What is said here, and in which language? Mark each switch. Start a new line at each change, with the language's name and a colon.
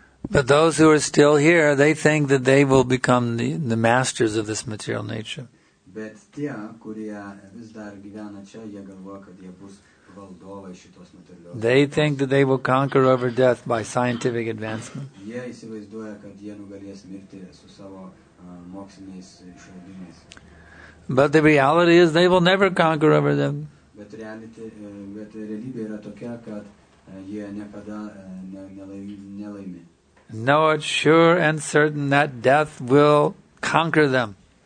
English: But those who are still here, they think that they will become the masters of this material nature.
Lithuanian: Bet tie, kurie vis dar gyvena čia, jie galvoja, kad jie bus valdovai šitos materialios.
English: They think that they will conquer over death by scientific advancement.
Lithuanian: Jie įsivaizduoja, kad jie nugalės mirtį su savo moksliniais išradimais.
English: But the reality is they will never conquer over them.
Lithuanian: Bet realybė yra tokia, kad jie niekada nelaimi.
English: Know it sure and certain that death will conquer them.